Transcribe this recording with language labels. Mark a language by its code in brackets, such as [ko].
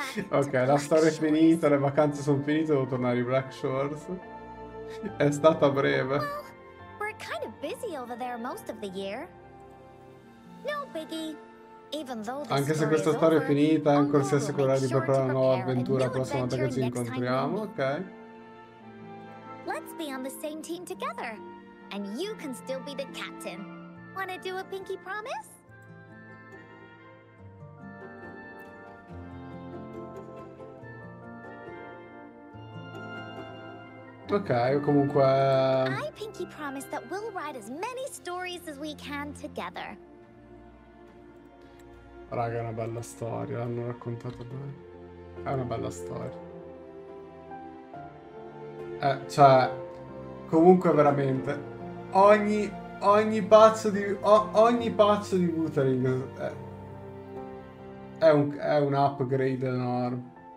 [it] Ok, la storia è finita, le vacanze sono finite, devo tornare in Black Shores. È stata breve. [en] Well, we're kind of busy over there most of the year. No biggie. Even though [it] anche se questa storia è finita, è ancora si assicurerà di preparare una nuova avventura la prossima volta che ci incontriamo, ok? [en] Let's be on the same team together. And you can still be the captain. Wanna do a pinky promise? [it] Ok, comunque. [en] I pinky promise that we'll write as many stories as we can together. [it] Raga, è una bella storia, l'hanno raccontata bene. È una bella storia. Cioè, comunque veramente. Ogni pazzo di Wuthering è un upgrade enorme.